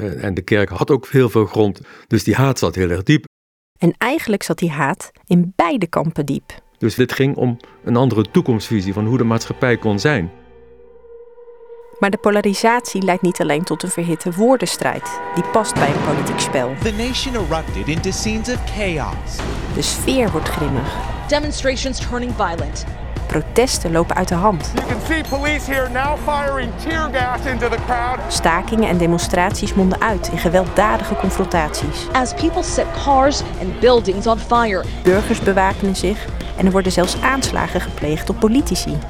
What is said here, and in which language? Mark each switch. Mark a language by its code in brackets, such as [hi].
[nl] En de kerk had ook heel veel grond. Dus die haat zat heel erg diep. En eigenlijk zat die haat in beide kampen diep. Dus dit ging om een andere toekomstvisie van hoe de maatschappij kon zijn. Maar de polarisatie leidt niet alleen tot een verhitte woordenstrijd. Die past bij een politiek spel. [en] The nation erupted into scenes of chaos. [nl] De sfeer wordt grimmig. [en] Demonstrations turning violent. [nl] Protesten lopen uit de hand. [en] You can see police here now firing tear gas into the crowd. [nl] Stakingen en demonstraties monden uit in gewelddadige confrontaties. [en] As people set cars and buildings on fire. [nl] Burgers bewapenen zich en er worden zelfs aanslagen gepleegd op politici.